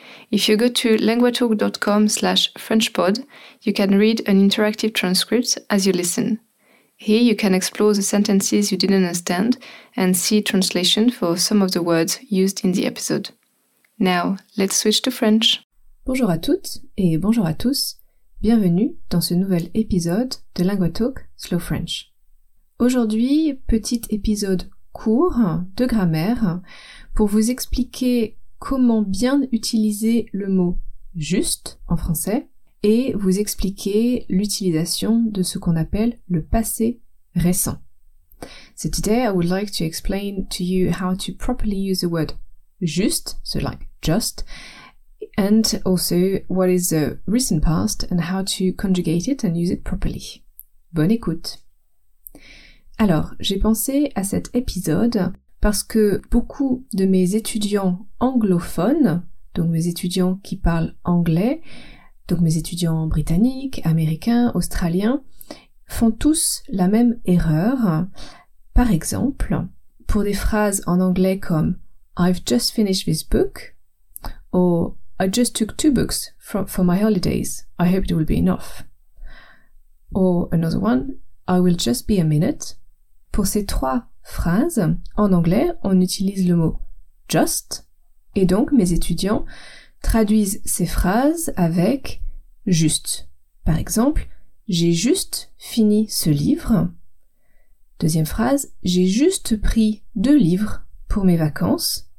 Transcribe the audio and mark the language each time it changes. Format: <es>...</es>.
<en>If you go to languagetalk.com/frenchpod, you can read an interactive transcript as you listen. Here you can explore the sentences you didn't understand and see translation for some of the words used in the episode. Now, let's switch to French.</en> <fr>Bonjour à toutes et bonjour à tous. Bienvenue dans ce nouvel épisode de Lingua Talk Slow French. Aujourd'hui, petit épisode court de grammaire pour vous expliquer comment bien utiliser le mot « juste » en français et vous expliquer l'utilisation de ce qu'on appelle le passé récent.</fr> <en>So today I would like to explain to you how to properly use the word « juste », so like « just », and also what is the recent past and how to conjugate it and use it properly.</en> <fr>Bonne écoute. Alors, j'ai pensé à cet épisode parce que beaucoup de mes étudiants anglophones, donc mes étudiants qui parlent anglais, donc mes étudiants britanniques, américains, australiens, font tous la même erreur. Par exemple, pour des phrases en anglais comme</fr> <en>I've just finished this book, ou I just took 2 books for my holidays. I hope it will be enough. Or another one, I will just be a minute.</en> <fr>Pour ces 3 phrases, en anglais, on utilise le mot just. Et donc, mes étudiants traduisent ces phrases avec juste. Par exemple, j'ai juste fini ce livre. Deuxième phrase, j'ai juste pris 2 livres pour mes vacances.</fr>